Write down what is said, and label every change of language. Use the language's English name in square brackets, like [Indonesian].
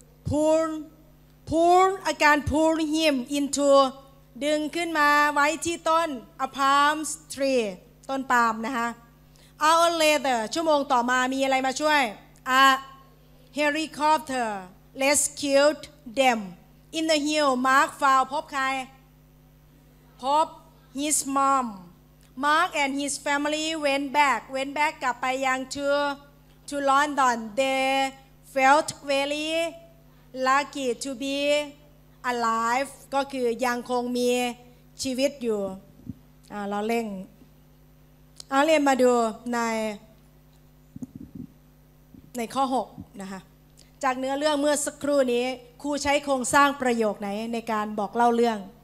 [Thai] พูลอาการ [English] pull him into [Thai] ดึงขึ้นมาไว้ที่ต้น [English] a palm tree [Thai] ต้นปาล์มนะฮะ [English] hour later [Thai] ชั่วโมงต่อมามีอะไรมาช่วย [English] a helicopter rescued them in the hill Mark found [Thai] พบใคร พบ [English] his mom Mark and his family went back [Thai] กลับไปยัง [English] To London, they felt very lucky to be alive. [Thai] ก็คือยังคงมีชีวิตอยู่เราเร่งเรียนมาดูในข้อ6นะคะจากเนื้อเรื่องเมื่อสักครู่นี้ครูใช้โครงสร้างประโยคไหนในการบอกเล่าเรื่อง